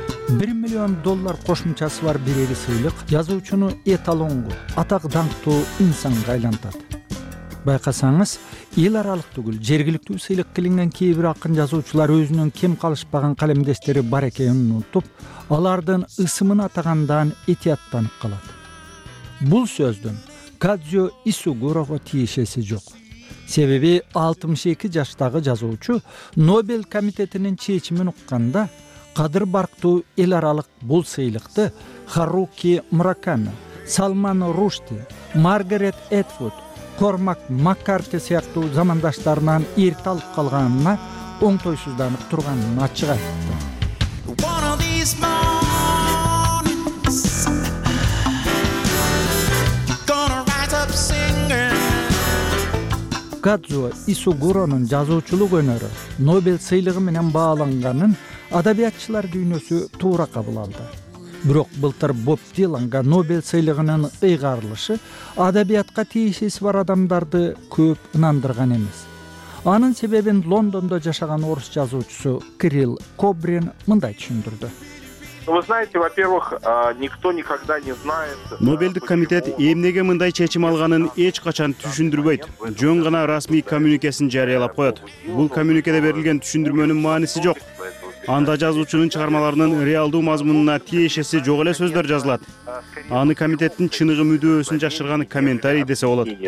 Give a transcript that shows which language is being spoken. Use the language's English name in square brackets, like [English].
[Kyrgyz] $1,000,000 кошумчасы бар биреги сыйлык жазуучуну эталонго, атак даңктуу инсанга айлантат. Байкасаңыз, эл аралык түгүл жергиликтүү сыйлык келинген кээ бир акын жазуучулар өзүнүн кем калышпаган калемдештери бар экенин унутуп, алардын ысымын атагандан этияттанып калат. Бул сөздүн Кадзио Исигурого тиешеси жок. Себеби 62 жаштагы жазуучу Нобель комитетинин чечимин укканда кадыр барктуу эл аралык бул сыйлыкты Харуки Мураками, Салман Рушди, Маргарет Этвуд, Кормак Маккарти сыяктуу замандаштарынан эрте алып калганына оңтойсузданып турганын ачык айтты. Кадзуо Исигуронун жазуучулук өнөрү Нобель сыйлыгы менен бааланганын адабиятчылар дүйнөсү туура кабыл алды. Бирок былтыр Боб Диланга Нобель сыйлыгынын ыйгарылышы адабиятка тиешеси бар адамдарды көп ынандырган эмес. Анын себебин Лондондо жашаган орус жазуучусу Кирилл Кобрин мындай түшүндүрдү. [Russian] Вы знаете, во-первых, никто никогда не знает. [Kyrgyz] Нобелдик комитет эмнеге мындай чечим алганын эч качан түшүндүрбөйт. Жөн гана расмий коммуникесин жарыялап коёт. Бул коммуникеде берилген түшүндүрмөнүн мааниси жок. Анда жазуучунун чыгармаларынын реалдуу мазмунуна тиешеси жок эле сөздөр жазылат. Аны комитеттин чыныгы мүдөөсүн жашырган комментарий десе болот.